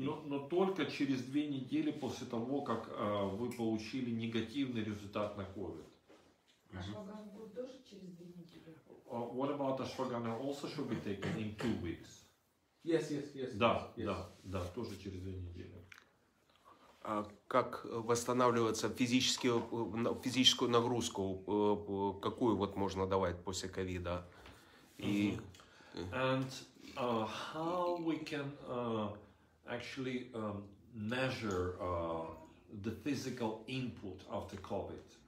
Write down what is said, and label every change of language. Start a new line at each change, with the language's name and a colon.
Russian: Но только через 2 недели после того, как вы получили негативный результат на COVID. Ашваганда будет тоже через 2 недели.
English: What about ashwagandha also should be taken in 2 weeks? Yes, yes, yes.
Russian: Да, тоже через 2 недели. А как восстанавливаться физическую нагрузку, какую вот можно давать после ковида?
English: And how we can actually measure the physical input after COVID?